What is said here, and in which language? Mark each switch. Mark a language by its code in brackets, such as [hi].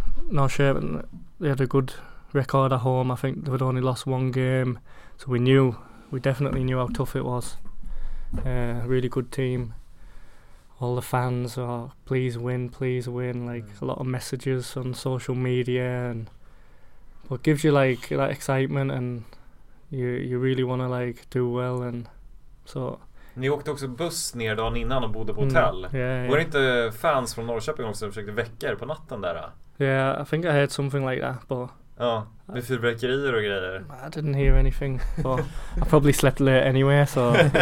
[en] Norrköping, they had a good record at home. I think they had only lost one game, so we definitely knew how tough it was. Really good team. All the fans are, please win, like a lot of messages on social media, and what gives you like that excitement, and you really want to like do well. And so [sv] ni åkte också buss ner dagen innan och bodde på hotell. Var det inte fans från Norrköping också som försökte väcka er på natten där? [en] Yeah, I think I heard something like that, but [sv] ja, med fyrverkerier och grejer. [en] I didn't hear anything, but I probably slept late anyway, so